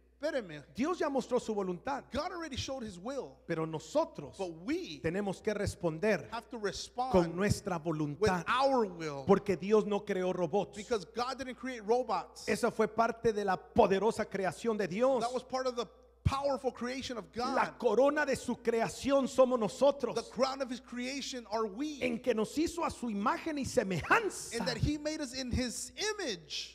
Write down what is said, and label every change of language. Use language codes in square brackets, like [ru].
[es] Espéreme. Dios ya mostró su voluntad. [en] God already showed his will. [es] Pero nosotros, [en] but we [es] tenemos que responder, [en] have to respond [es] con nuestra voluntad, [en] with our will. [es] Porque Dios no creó robots. [en] Because God didn't create robots. [es] Esa fue parte de la poderosa creación de Dios. [en] That was part of the powerful creation of God. [es] La corona de su creación somos nosotros. [en] The crown of his creation are we. [es] En que nos hizo a su imagen y semejanza. [en] And that he made us in his image.